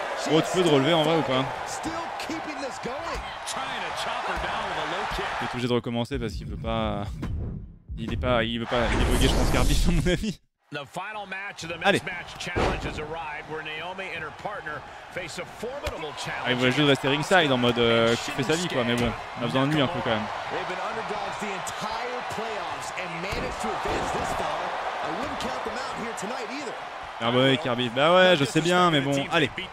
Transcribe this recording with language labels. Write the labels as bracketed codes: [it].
[fr] Oh, tu peux te relever en vrai ou pas? T'es obligé de recommencer parce qu'il veut pas. Il est pas. Il veut pas. Il est bugué, je pense, Kirby, à mon avis. [en] The final match of the mixed match challenge has arrived where Naomi and her partner face a formidable challenge. [fr] Ah, il voulait juste rester ringside en mode qui fait sa vie quoi, mais bon, on a besoin de lui un peu quand même. [en] They've been underdogs the entire playoffs and managed to advance this far. I wouldn't count them out here tonight either. [fr] Ah bah oui, Kirby, bah ouais, je sais bien, mais bon, allez.